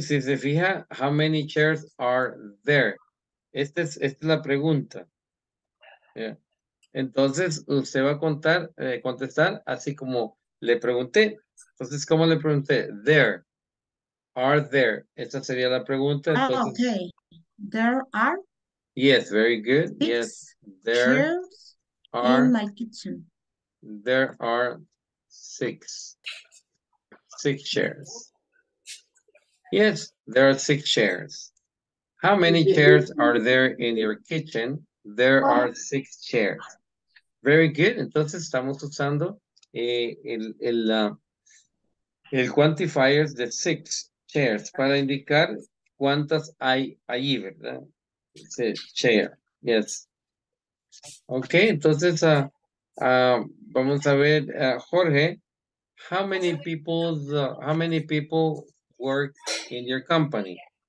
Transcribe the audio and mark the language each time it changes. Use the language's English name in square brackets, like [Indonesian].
[Spanish] Si se fija, [English] how many chairs are there? [Spanish] Esta es la pregunta. Yeah. Entonces, usted va a contestar así como le pregunté. Entonces, ¿cómo le pregunté? [English] There. Are there. [Spanish] Esta sería la pregunta. Entonces, [English] okay. There are. Yes, very good. Six yes. There are in my kitchen. There are six chairs. Yes, there are six chairs. How many chairs are there in your kitchen? There are six chairs. Very good. [Spanish] Entonces estamos usando el quantifier de six chairs para indicar cuántas hay allí, ¿verdad? [English] Chair, yes. Okay, [Spanish] entonces vamos a ver, [English] Jorge, how many people work in your company?